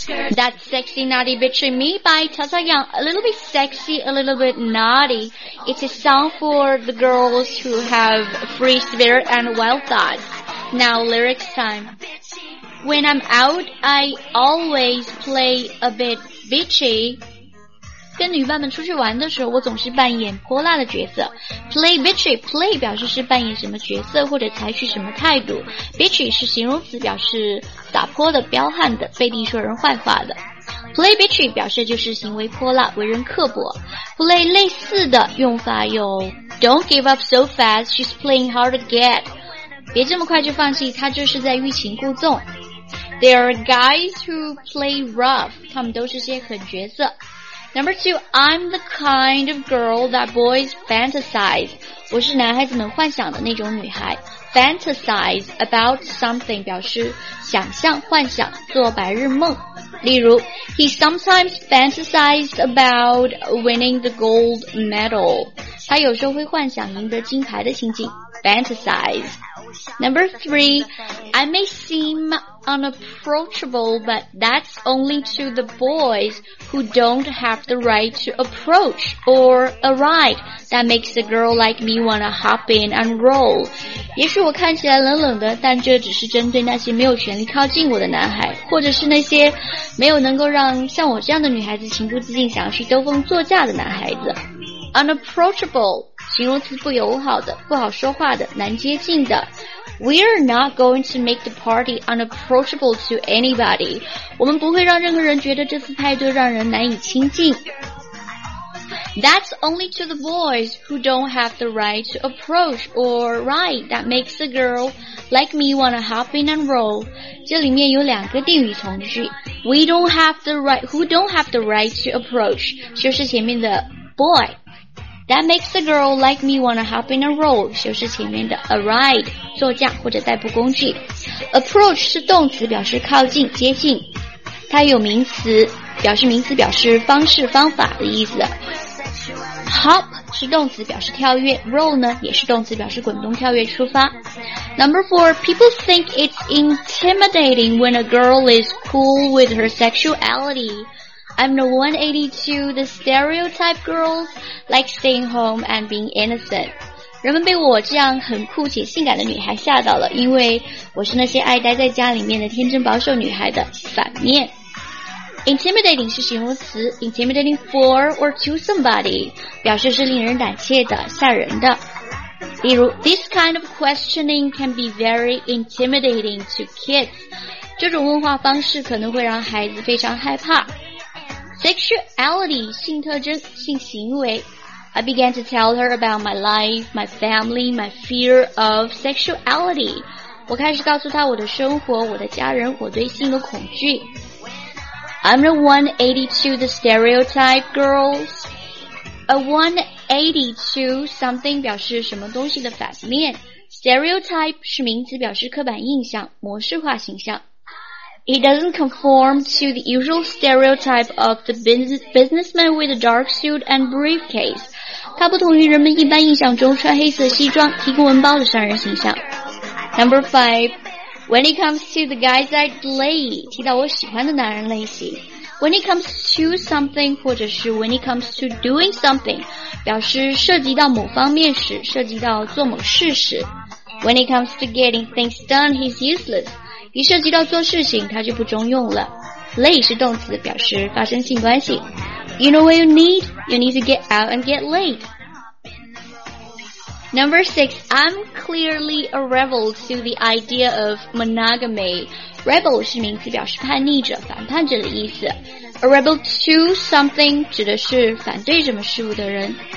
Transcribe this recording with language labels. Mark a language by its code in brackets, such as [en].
[en] That's Sexy Naughty Bitch and Me by Tata Young. A little bit sexy, a little bit naughty. It's a song for the girls who have free spirit and wild thoughts. Now lyrics time. When I'm out, I always play a bit bitchy. [zh] 跟女伴们出去玩的时候，我总是扮演泼辣的角色。 Play bitchy, play 表示是扮演什么角色或者采取什么态度。 Bitchy 是形容词，表示撒泼的、彪悍的、背地说人坏话的。 [en] Play bitchy [zh] 表示就是行为泼辣、为人刻薄。 [en] Play [zh] 类似的用法有 [en] Don't give up so fast, she's playing hard to get. [zh] 别这么快就放弃，他就是在欲擒故纵。 [en] There are guys who play rough, [zh] 他们都是些狠角色。 [en] Number two, I'm the kind of girl that boys fantasize. [zh] 我是男孩子们幻想的那种女孩。 Fantasize about something 表示想象、幻想、做白日梦。例如 [en] ,He sometimes fantasized about winning the gold medal. [zh] 他有时候会幻想赢得金牌的情景。 [en] Fantasize. Number three, I may seem unapproachable, but that's only to the boys who don't have the right to approach or a ride that makes a girl like me want to hop in and roll. [zh] 也许我看起来冷冷的，但这只是针对那些没有权利靠近我的男孩，或者是那些没有能够让像我这样的女孩子情不自禁想要去兜风坐驾的男孩子。 [en] Unapproachable. [zh] 形容词不友好的，不好说话的，难接近的。 [en] We are not going to make the party unapproachable to anybody. [zh] 我们不会让任何人觉得这次派对让人难以亲近。 [en] That's only to the boys who don't have the right to approach or ride that makes a girl like me want to hop in and roll. [zh] 这里面有两个定语从句。 [en] We don't have the right, who don't have the right to approach, [zh] 就是前面的 [en] boy. That makes a girl like me wanna hop in a roll, [zh] 就是前面的 [en] a ride, [zh] 坐驾或者代步工具。 Approach 是动词，表示靠近、接近。它有名词，表示名词表示方式、方法的意思。 Hop 是动词，表示跳跃。Roll 呢，也是动词，表示滚动、跳跃、出发。 [en] Number four, people think it's intimidating when a girl is cool with her sexuality. I'm the 182, the stereotype girls like staying home and being innocent. [zh] 人们被我这样很酷且性感的女孩吓到了，因为我是那些爱待在家里面的天真保守女孩的反面。 Intimidating 是形容词 ,intimidating for or to somebody, 表示是令人胆怯的、吓人的。例如 [en] ,this kind of questioning can be very intimidating to kids. [zh] 这种问话方式可能会让孩子非常害怕。 [en] Sexuality, [zh] 性特征、性行为。 [en] I began to tell her about my life, my family, my fear of sexuality. [zh] 我开始告诉她我的生活、我的家人、我对性的恐惧。 [en] I'm the 182, the stereotype girls. [zh] A 182, something 表示什么东西的反面。 Stereotype 是名词，表示刻板印象、模式化形象。 [en] It doesn't conform to the usual stereotype of the businessman with a dark suit and briefcase. [zh] 它不同于人们一般印象中穿黑色西装、提供文包的商人形象。 [en] Number five, when it comes to the guys I'd lay, [zh] 提到我喜欢的男人类型。 When it comes to something, 或者是 when it comes to doing something, 表示涉及到某方面时、涉及到做某事时。 [en] When it comes to getting things done, he's useless. [zh] 一涉及到做事情，它就不中用了。 Lay 是动词，表示发生性关系。 [en] You know what you need? You need to get out and get laid. Number six, I'm clearly a rebel to the idea of monogamy. [zh] Rebel 是名词，表示叛逆者、反叛者的意思。A rebel to something 指的是反对什么事物的人。